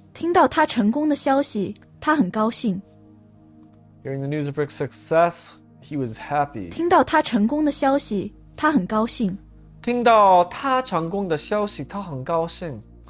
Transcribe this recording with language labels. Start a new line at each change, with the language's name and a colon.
Chinese: 听到他成功的消息，他很高兴。
English: Hearing the news of her success, he was happy.
Chinese: 听到他成功的消息，他很高兴。听到他成功的消息，他很高兴。